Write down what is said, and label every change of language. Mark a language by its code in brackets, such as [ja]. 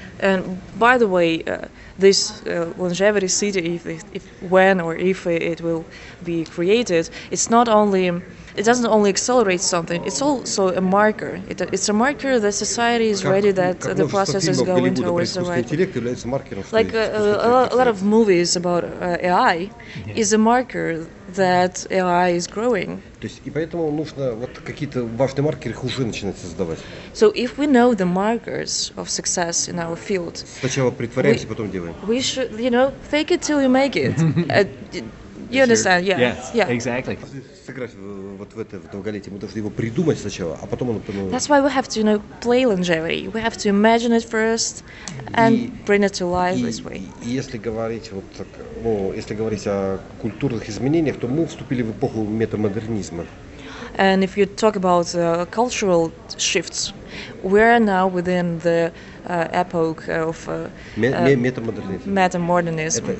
[en] And by the way, this longevity city, if when or if it will be created, it doesn't only accelerate something, it's also a marker. It's a marker that society is ready, that the process is going towards the right. Like a lot of movies about AI is a marker that AI is growing. [ru] То есть и поэтому нужно вот какие-то важные маркеры уже начинать создавать. [en] So if we know the markers of success in our field, [ru] сначала притворяемся, потом делаем. [en] We should, you know, fake it till you make it. You understand? Yeah. Yeah. Exactly. [ru] Сыграть вот в это долголетие, мы должны его придумать сначала, а потом оно. [en] That's why we have to, you know, play longevity. We have to imagine it first and bring it to life this way. [ru] И если говорить вот так, ну, если говорить о культурных изменениях, то мы вступили в эпоху метамодернизма. [en] And if you talk about cultural shifts, we are now within the epoch of metamodernism.